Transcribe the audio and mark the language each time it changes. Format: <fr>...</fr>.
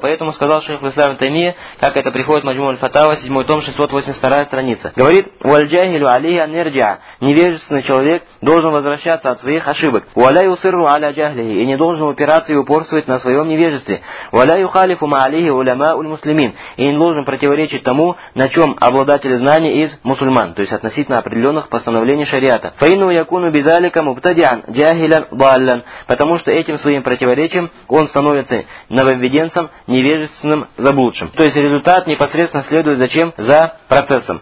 <ru>Поэтому сказал шейх ислам Таймия, как это приходит в Маджмуа аль-Фатава, 7 том, 682 страница. Говорит,</ru> <ar>والجاهل عليه أن يرجع.</ar> <ru>Невежественный человек должен возвращаться от своих ошибок.</ru> <ar>ولا يصر على جهله.</ar> <ru>И не должен упираться и упорствовать на своем невежестве.</ru> <ar>ولا يخالف ما عليه علماء المسلمين.</ar> <ru>И не должен противоречить тому, на чем обладатели знаний из мусульман, то есть относительно определенных постановлений шариата.</ru> <ar>якуну бизалика мубтадиан, джахилян, баллян,</ar> <ru>потому что этим своим противоречием он становится нововведенцем, невежественным, заблудшим. То есть результат непосредственно следует зачем? За процессом.</ru>